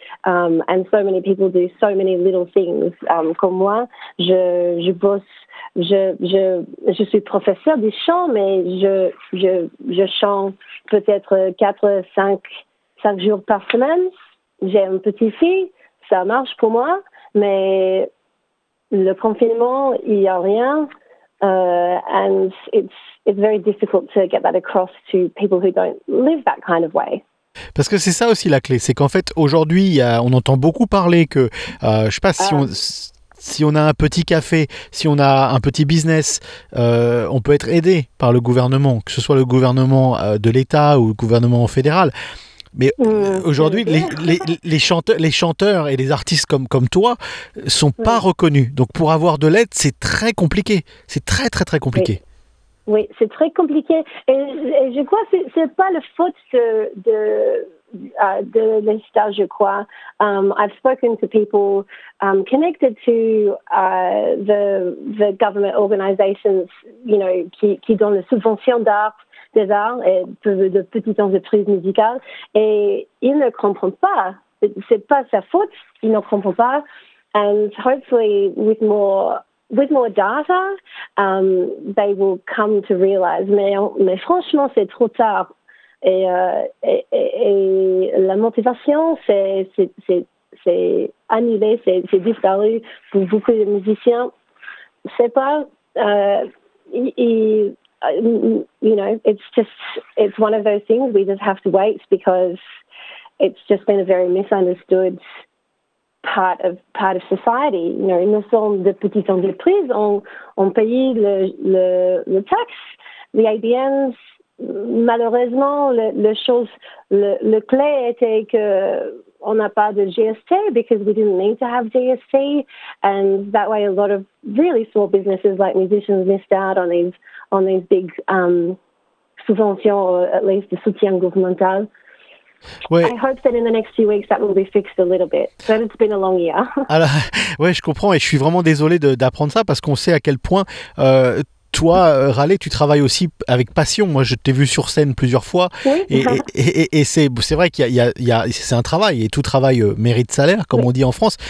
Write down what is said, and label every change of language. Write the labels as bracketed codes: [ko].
[en] And so many people do so many little things. [fr] Comme moi, je bosse, je suis professeur du chant, mais je chante peut-être 4-5 jours par semaine. J'ai une petite fille, ça marche pour moi, mais le confinement, il n'y a rien. [en] And it's very difficult to get that across to people who don't live that kind of way. [fr] Parce que c'est ça aussi la clé, c'est qu'en fait aujourd'hui on entend beaucoup parler que je sais pas si on a un petit café, si on a un petit business, on peut être aidé par le gouvernement, que ce soit le gouvernement de l'État ou le gouvernement fédéral. Mais aujourd'hui, les chanteurs et les artistes comme toi ne sont pas oui. reconnus. Donc, pour avoir de l'aide, c'est très compliqué. C'est très, très, très compliqué. Oui, oui c'est très compliqué. Et je crois que ce n'est pas la faute de l'État, je crois. [en] I've spoken to people connected to the government organizations, you know, [fr] qui donnent les subventions d'art, des arts et de petites entreprises musicales et ils ne comprennent pas, c'est pas sa faute, ils ne comprennent pas. [en] And hopefully with more data, they will come to realize. [fr] Mais franchement, c'est trop tard et la motivation c'est annulé, c'est disparu pour beaucoup de musiciens. C'est pas [en] you know, it's one of those things. We just have to wait because it's just been a very misunderstood part of society. You know, [fr] nous sommes des petites entreprises, on paye le tax, [en] the ABNs. [fr] Malheureusement, le clé était que on n'a pas de GST [en] because we didn't need to have GST, and that way a lot of really small businesses like musicians missed out on these big subventions, or at least the [fr] soutien gouvernemental. Ouais. [en] I hope that in the next few weeks that will be fixed a little bit. But it's been a long year. [fr] Alors, ouais, je comprends et je suis vraiment désolé d'apprendre ça parce qu'on sait à quel point toi, Raleigh, tu travailles aussi avec passion. Moi, je t'ai vu sur scène plusieurs fois. Oui. Et c'est vrai qu'il y a, c'est un travail et tout travail mérite salaire, comme oui. on dit en France.